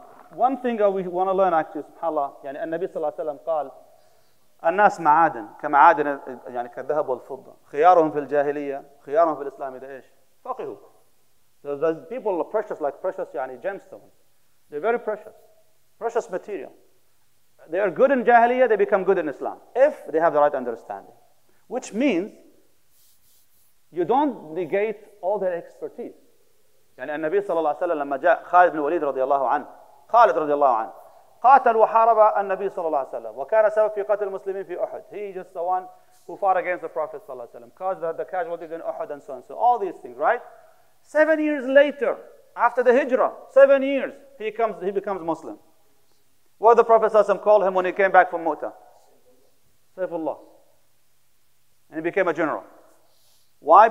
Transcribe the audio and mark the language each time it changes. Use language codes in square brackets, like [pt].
[en] One thing that we want to learn actually, [ar] subhanAllah, يعني النبي صلى الله عليه وسلم قال الناس معادن كمعادن يعني كالذهب والفضة خيارهم في الجاهلية خيارهم في الإسلام إذا إيش فقهوا. [en] So those people are precious, like precious يعني gemstones. They're very precious. Precious material. They are good in jahiliyyah, they become good in Islam. If they have the right understanding. Which means, you don't negate all their expertise. [ar] يعني النبي صلى الله عليه وسلم لما جاء خالد بن الوليد رضي الله عنه خالد رضي الله عنه قاتل وحارب النبي صلى الله عليه وسلم وكان سبب في قتل المسلمين في أحد. [en] He just the one who fought against the Prophet صلى الله عليه وسلم, caused the casualties in Uhud and so on. So all these things, right? 7 years later, after the hijrah, 7 years, he becomes Muslim. What did the Prophet صلى الله عليه وسلم call him when he came back from Mu'tah? Saifullah. And he became a general. Why?